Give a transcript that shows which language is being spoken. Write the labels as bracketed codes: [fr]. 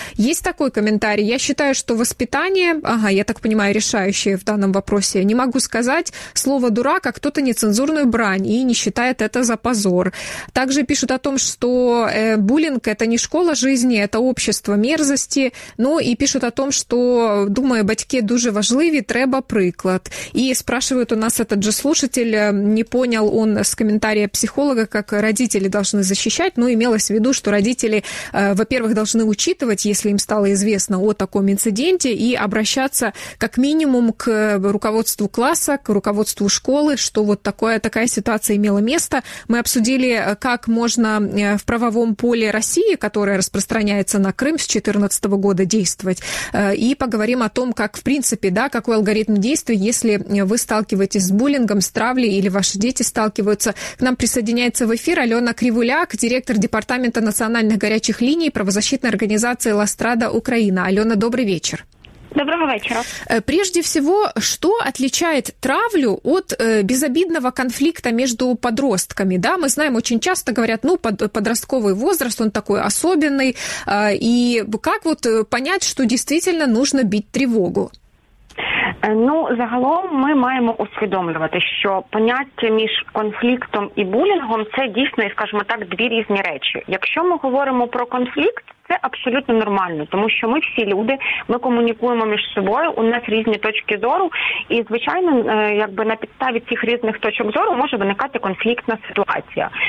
[ru] Есть такой комментарий. Я считаю, что воспитание, ага, я так понимаю, решающее в данном вопросе. Не могу сказать слово «дурак», а кто-то нецензурную брань и не считает это за позор. Также пишут о том, что буллинг – это не школа жизни, это общество мерзости. Ну и пишут о том, что, думаю, [uk] батьки дуже важливі, треба приклад. [ru] И спрашивают у нас этот же слушатель, не понял он с комментария психолога, как родители должны защищать. Ну, имелось в виду, что родители, во-первых, должны учитывать, если им стало известно о таком инциденте, и обращаться как минимум к руководству класса, к руководству школы, что вот такая ситуация имела место. Мы обсудили, как можно в правовом поле России, которое распространяется на Крым с 2014 года, действовать. И поговорим о том, как, в принципе, да, какой алгоритм действий, если вы сталкиваетесь с буллингом, с травлей, или ваши дети сталкиваются. К нам присоединяется в эфир Алена Кривуляк, директор Департамента национальных горячих линий правозащитной организации «Ластрада Украина». Алена, добрый вечер. Доброго вечера. Прежде всего, что отличает травлю от безобидного конфликта между подростками? Да, мы знаем, очень часто говорят, ну, подростковый возраст, он такой особенный. И как вот понять, что действительно нужно бить тревогу? [uk] Ну, загалом ми маємо усвідомлювати, що поняття між конфліктом і булінгом – це дійсно, скажімо так, дві різні речі. Якщо ми говоримо про конфлікт, це абсолютно нормально, тому що ми всі люди, ми комунікуємо між собою, у нас різні точки зору, і, звичайно, якби на підставі цих різних точок зору може виникати конфліктна ситуація.